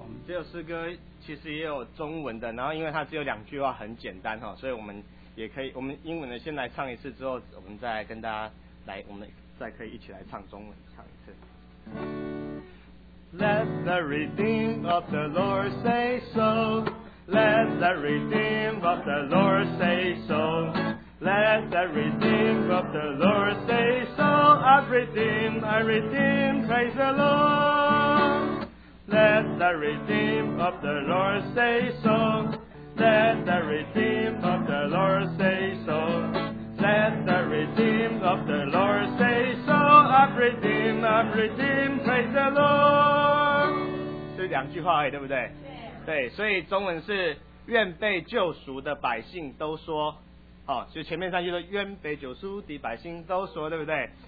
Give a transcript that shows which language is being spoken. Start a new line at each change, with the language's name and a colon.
Chinese: 这首诗歌其实也有中文的，然后因为它只有两句话，很简单哈，所以我们也可以，我们英文的先来唱一次，之后我们再跟大家来，我们再可以一起来唱中文唱一次。
English: Let the redeemed of the Lord say so. Let the redeemed of the Lord say so. Let the redeemed of the Lord say so. I redeem, praise the Lord. Let the redeemed of the Lord say so. Let the redeemed of the Lord say so. Let the redeemed of the Lord say so. I've redeemed, praise the Lord.
Chinese: 是两句话而已，对不对？对，所以中文是愿被救赎的百姓都说，就前面三句都愿被救赎的百姓都说，对不对？